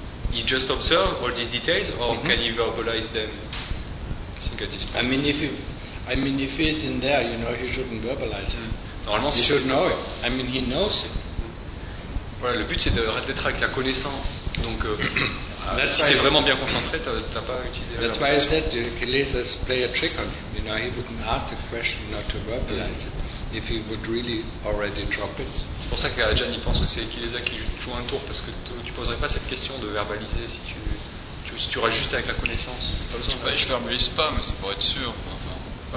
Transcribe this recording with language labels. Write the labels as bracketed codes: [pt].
[en] You just observe all these details or can you verbalize them? I think at this point. I mean, if he's in there, you know, he shouldn't verbalize it. [fr] Normalement, [en] he should know it. I mean, he knows it. [fr] Voilà, le but, c'est d'être avec la connaissance. Donc. Si tu es vraiment bien concentré, t'as pas utilisé. [en] That's why I said Kilesas play a trick on him. You know, he wouldn't ask a question not to verbalize it if he would really already drop it. [fr] C'est pour ça qu'Ajahn pense que c'est Kilesa qui joue un tour, parce que tu poserais pas cette question de verbaliser si tu restes juste avec la connaissance. Pas besoin. Je verbalise pas, mais c'est pour être sûr. Enfin.